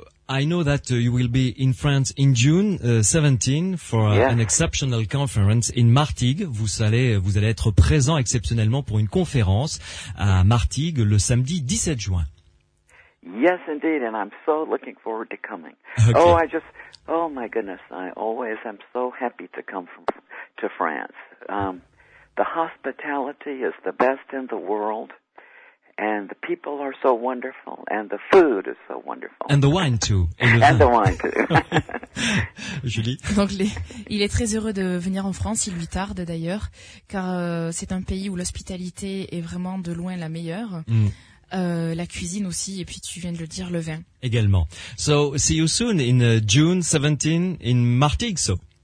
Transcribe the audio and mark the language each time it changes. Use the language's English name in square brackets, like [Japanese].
[English] I know that you will be in France in June 17 for an exceptional conference in Martigues. [French] Vous allez être présent exceptionnellement pour une conférence à Martigues le samedi 17 juin. [English] Yes, indeed, and I'm so looking forward to coming. Okay. Oh, I just, oh my goodness, I always am so happy to come from, to France. The hospitality is the best in the world. And the people are so wonderful, and the food is so wonderful. And the wine too. And the wine too. Julie. [French] Donc, il est très heureux de venir en France, il lui tarde d'ailleurs, car c'est un pays où l'hospitalité est vraiment de loin la meilleure. La cuisine aussi, et puis tu viens de le dire, le vin. Également. [English] So, see you soon in June 17 in Martigues.